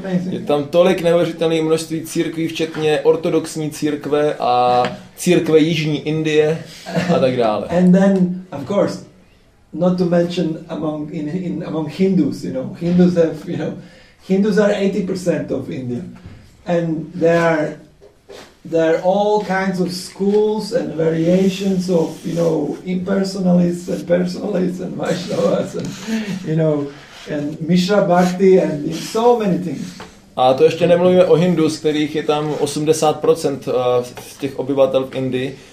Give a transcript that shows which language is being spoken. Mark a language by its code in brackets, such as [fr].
[cs] Je tam tolik neuvěřitelných množství církví, včetně ortodoxní církve a církve jižní Indie a tak dále. [en] And then, of course, not to mention among Hindus, you know, Hindus have, you know, Hindus are 80% of India, and there are all kinds of schools and variations of, you know, impersonalists and personalists and Vaishnavas and, you know, and Mishra Bhakti and so many things. [cs] A to ještě nemluvíme o Hindus, kterých je tam 80% z těch obyvatel v Indii,